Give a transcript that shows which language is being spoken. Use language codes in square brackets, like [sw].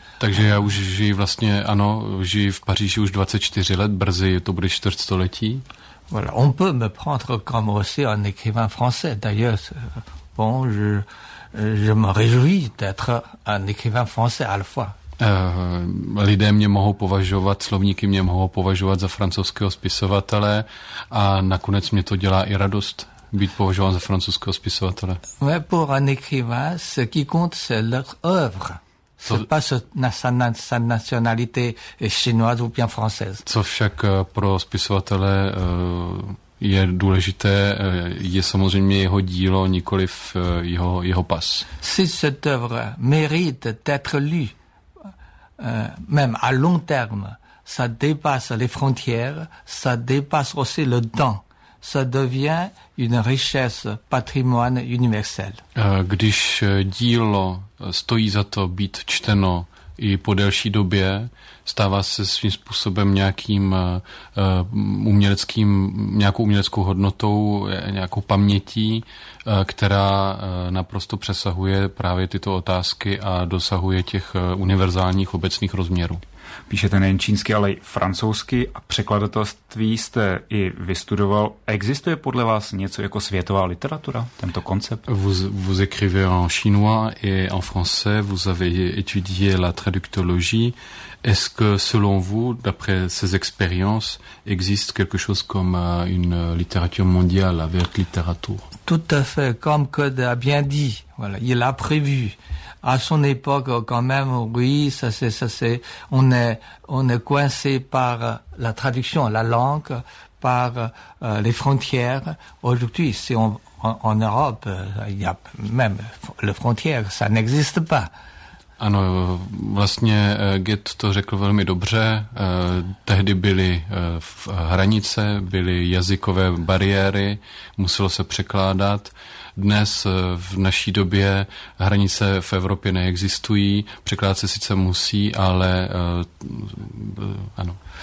[cs] Takže já už žiju vlastně, ano, žiju v Paříži už 24 let, brzy to bude čtvrtstoletí. [fr] Voilà, on peut me prendre comme aussi un écrivain français. D'ailleurs, bon, je me réjouis d'être un écrivain français à la fois. [cs] Lidé mě mohou považovat, slovníky mě mohou považovat za francouzského spisovatele a nakonec mě to dělá i radost být považován za francouzského spisovatele. [fr] Mais pour un écrivain, ce qui compte, c'est leur œuvre. Sa nationalité est chinoise ou bien française. [cs] Co však pro spisovatele je důležité, je samozřejmě jeho dílo, nikoliv jeho pas. [fr] Si cette œuvre mérite d'être lue, même à long terme, ça dépasse les frontières, ça dépasse aussi le temps. Ça devient une richesse patrimoine universelle. [cs] Když dílo stojí za to být čteno i po delší době, stává se svým způsobem nějakým uměleckým, nějakou uměleckou hodnotou, nějakou pamětí, která naprosto přesahuje právě tyto otázky a dosahuje těch univerzálních obecných rozměrů. Píšete nejen čínsky, ale i francouzsky a překladatelství jste i vystudoval. Existuje podle vás něco jako světová literatura, tento koncept? [fr] Vous écrivez en chinois et en français, vous avez étudié la traductologie. Est-ce que selon vous, d'après ces expériences, existe quelque chose comme une littérature mondiale avec littérature? Tout à fait, comme Code a bien dit, voilà, il a prévu. À son époque, quand même, oui, ça c'est, on est coincé par la traduction, la langue, par les frontières. Aujourd'hui, si en Europe, il y a même les frontières, ça n'existe pas. [cs] Ano, vlastně Goethe to řekl velmi dobře. Tehdy byly hranice, byly jazykové bariéry, muselo se překládat. Dnes v naší době hranice v Evropě neexistují, překládat se sice musí, ale ano.